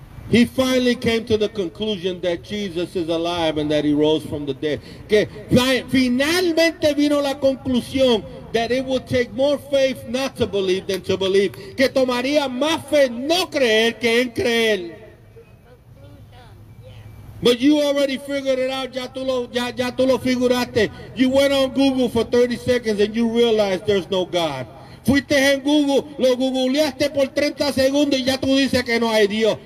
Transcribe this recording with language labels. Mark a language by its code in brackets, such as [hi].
[en] He finally came to the conclusion that Jesus is alive and that he rose from the dead. [es] Que finalmente vino la conclusión [en] that it would take more faith not to believe than to believe. [es] Que tomaría más fe no creer que en creer. [en] But you already figured it out. [es] Ya tú lo figuraste. [en] You went on Google for 30 seconds and you realized there's no God. [es] Fuiste en Google, lo googleaste por 30 segundos y ya tú dices que no hay Dios.